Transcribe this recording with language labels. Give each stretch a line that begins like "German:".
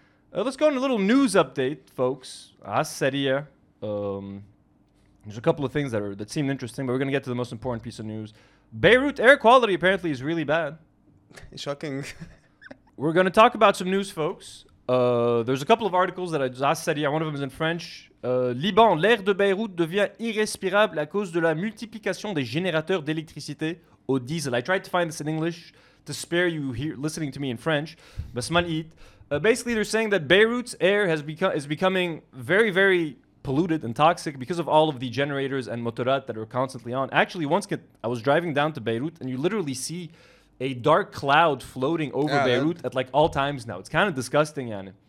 English: Let's go on a little news update, folks. Asseria. There's a couple of things that seem interesting, but we're going to get to the most important piece of news. Beirut air quality apparently is really bad. Shocking. We're going to talk about some news, folks. There's a couple of articles that I just said. Yeah, one of them is in French.
French: Liban, l'air de Beyrouth devient irrespirable à cause de la multiplication des générateurs d'électricité au diesel.
English: I tried to find this in English to spare you here listening to me in French. Basmalit. Basically, they're saying that Beirut's air is becoming very, very polluted and toxic because of all of the generators and motorat that are constantly on. Actually, I was driving down to Beirut, and you literally see a dark cloud floating over Beirut at like all times now. It's kind of disgusting, yani.